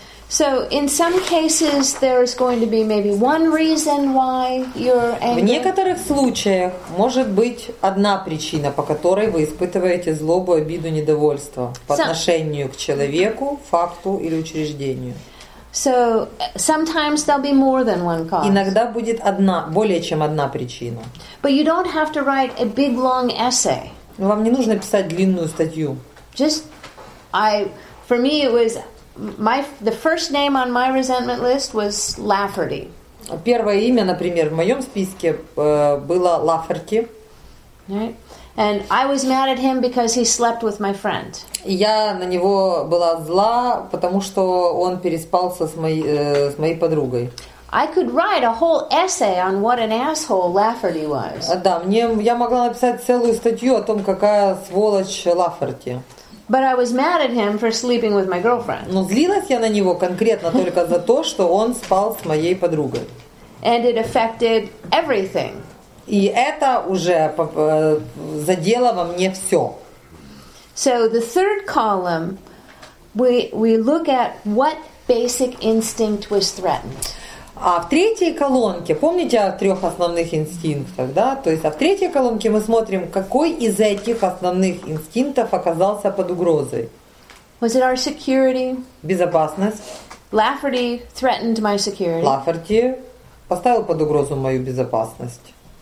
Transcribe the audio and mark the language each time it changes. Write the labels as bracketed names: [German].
[English] So in some cases there is going to be maybe one reason why you're angry. [Russian] В некоторых случаях может быть одна причина, по которой вы испытываете злобу, обиду, недовольство по отношению к человеку, факту или учреждению. [English] So sometimes there'll be more than one cause. [Russian] Иногда будет одна, более чем одна причина. [English] But you don't have to write a big long essay. [Russian] Вам не нужно писать длинную статью. [English] Just for me it was the first name on my resentment list was Lafferty. [Russian] Первое имя, например, в моем списке было Лафферти. [English] Right. And I was mad at him because he slept with my friend. [Russian] Я на него была зла, потому что он переспал с моей подругой. [English] I could write a whole essay on what an asshole Lafferty was. [Russian] Да, мне я могла написать целую статью о том, какая сволочь Лафферти. [English] But I was mad at him for sleeping with my girlfriend. [Russian] Но злилась я на него конкретно только за то, что он спал с моей подругой. [English] And it affected everything. [Russian] И это уже задело во мне все. [English] So the third column, we look at what basic instinct was threatened. [Russian] А в третьей колонке, помните о трех основных инстинктах, да? То есть, а в третьей колонке мы смотрим, какой из этих основных инстинктов оказался под угрозой. [English] Was it our security? [Russian] Безопасность. [English] Lafferty threatened my security. [Russian] Лафферти поставил под угрозу мою безопасность.